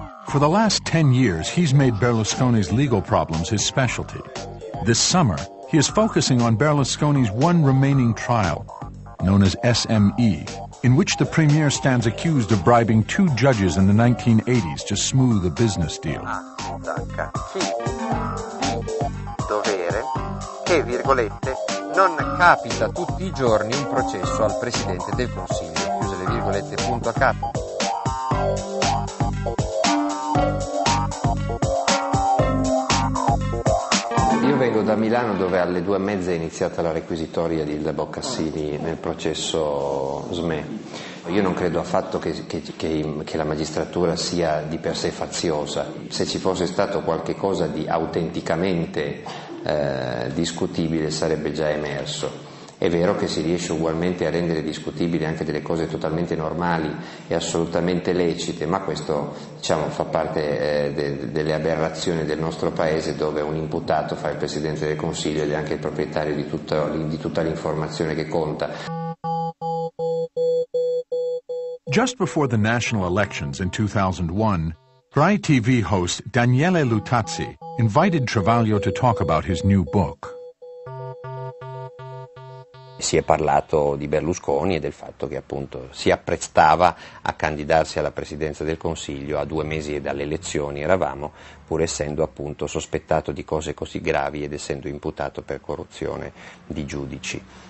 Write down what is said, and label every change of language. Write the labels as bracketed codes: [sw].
[en] For the last 10 years, he's made Berlusconi's legal problems his specialty. This summer, he is focusing on Berlusconi's one remaining trial, known as SME, in which the premier stands accused of bribing two judges in the 1980s to smooth a business deal. [it] Dovere che, virgolette, non capita tutti i giorni un processo al presidente del Consiglio. Chiuse le virgolette, punto a capo. Io vengo da Milano, dove alle 2:30 è iniziata la requisitoria di Ilda Boccassini nel processo SME. Io non credo affatto che la magistratura sia di per sé faziosa. Se ci fosse stato qualche cosa di autenticamente discutibile, sarebbe già emerso. È vero che si riesce ugualmente a rendere discutibili anche delle cose totalmente normali e assolutamente lecite, ma questo, diciamo, fa parte delle aberrazioni del nostro paese, dove un imputato fa il presidente del Consiglio ed è anche il proprietario di tutta l'informazione che conta. [en] Just before the national elections in 2001, Rai TV host Daniele Lutazzi invited Travaglio to talk about his new book. [it] Si è parlato di Berlusconi e del fatto che appunto si apprestava a candidarsi alla presidenza del Consiglio a 2 mesi dalle elezioni, eravamo, pur essendo appunto sospettato di cose così gravi ed essendo imputato per corruzione di giudici.